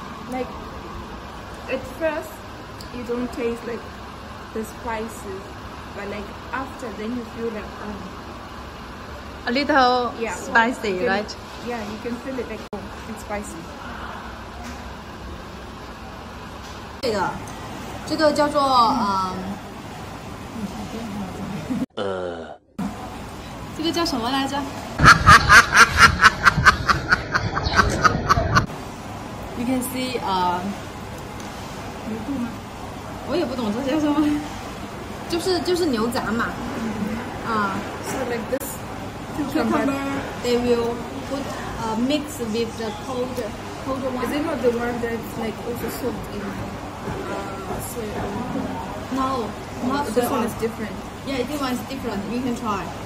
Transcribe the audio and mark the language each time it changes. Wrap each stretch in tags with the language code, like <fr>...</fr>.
<en>Like, at first, you don't taste like the spices, but like after, then you feel like a little spicy, well, right? Yeah, you can feel it like, oh, it's spicy.</en> <zh>这个叫做 这个叫什么来着？</zh> <en>You can see</en> <zh>牛肚吗？我也不懂这些什么，就是 牛杂嘛，啊。</zh> <en>So like this cucumber, they will put mix with the cold one. Is it not the one that's like also soaked in soy? No, not this one is different. Yeah, this one is different. You can try.</en>